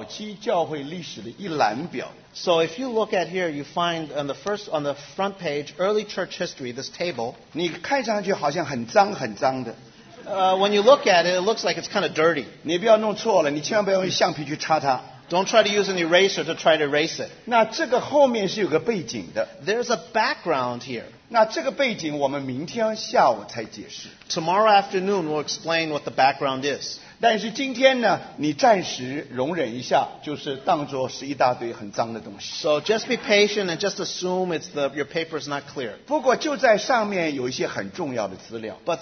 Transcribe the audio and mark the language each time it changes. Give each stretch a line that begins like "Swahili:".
Chinese: 那如果你翻掉有前面一页叫的早期教会历史的一览表。
English: So if you look at here, you find on the first on the front page, early church history, this table.
Chinese: 你看上去好像很脏很脏的。
English: When you look at it, it looks like it's kind of dirty.
Chinese: 你不要弄错了，你千万不要用橡皮去擦它。
English: Don't try to use an eraser to try to erase it.
Chinese: 那这个后面是有个背景的。
English: There's a background here.
Chinese: 那这个背景我们明天下午才解释。
English: Tomorrow afternoon, we'll explain what the background is.
Chinese: 但是今天呢，你暂时容忍一下，就是当作是一大堆很脏的东西。So
English: just be patient and just assume it's the your paper is not clear.
Chinese: 不过就在上面有一些很重要的资料。But